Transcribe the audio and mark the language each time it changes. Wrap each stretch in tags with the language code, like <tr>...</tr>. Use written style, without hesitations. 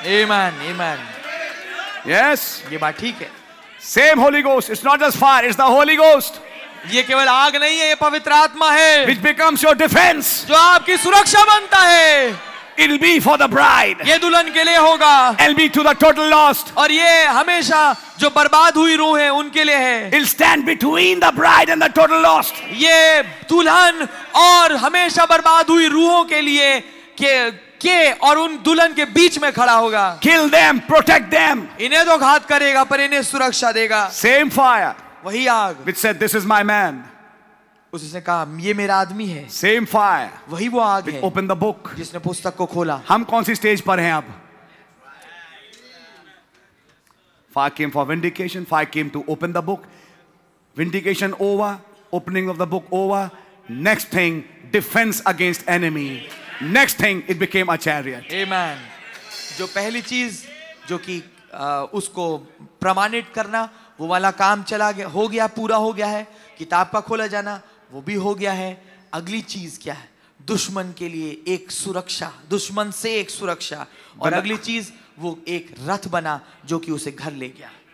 <en>amen, amen, yes,</en> <hi>ये बात ठीक है,</hi> <en>same holy ghost, it's not just fire, it's the holy ghost,</en> <hi>ये केवल आग नहीं है, ये पवित्र आत्मा है,</hi> <en>which becomes your defense,</en> <hi>जो आपकी सुरक्षा बनता है,</hi> <en>it'll be for the bride,</en> <hi>ये दुल्हन के लिए होगा,</hi> <en>it'll be to the total lost,</en> <hi>और ये हमेशा जो बर्बाद हुई रूह है उनके लिए है,</hi> <en>it'll stand between the bride and the total lost,</en> <hi>ये दुल्हन और हमेशा बर्बाद हुई रूहों के लिए के और उन दुल्हन के बीच में खड़ा होगा,</hi> <en>kill them, protect them,</en> <hi>इन्हें तो घात करेगा पर इन्हें सुरक्षा देगा,</hi> <en>same fire,</en> <hi>वही आग,</hi> <en>which said this is my man,</en> <hi>उसने कहा ये मेरा आदमी है,</hi> <en>same fire,</en> <hi>वही वो आग है,</hi> <en>open the book,</en> <hi>जिसने पुस्तक को खोला, हम कौन सी स्टेज पर हैं अब,</hi> <en>fire came for vindication, fire came to open the book, vindication over, opening of the book over, next thing defense against enemy, next thing it became a chariot,</en> <hi>amen, जो पहली चीज जो कि उसको प्रमाणित करना वो वाला काम चला गया हो गया पूरा हो गया है, किताब का खोला जाना वो भी हो गया है, अगली चीज क्या है, दुश्मन के लिए एक सुरक्षा, दुश्मन से एक सुरक्षा, और अगली चीज वो एक रथ बना जो कि उसे घर ले गया,</hi>